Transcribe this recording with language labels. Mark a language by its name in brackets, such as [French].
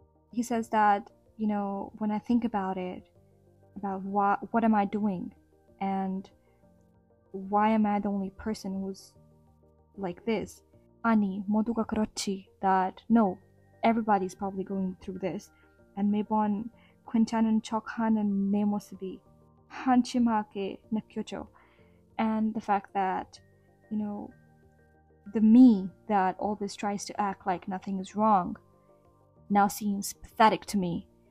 [English] He says that, you know, when I think about it, about what am I doing, and why am I the only person who's like this? [Korean] Ani, 모두가 그렇지, [English] that no, everybody's probably going through this. [Korean] And 매번 괜찮은 척하는 내 모습이 한심하게 느껴져. [English] And the fact that, you know, the me that always tries to act like nothing is wrong now seems pathetic to me.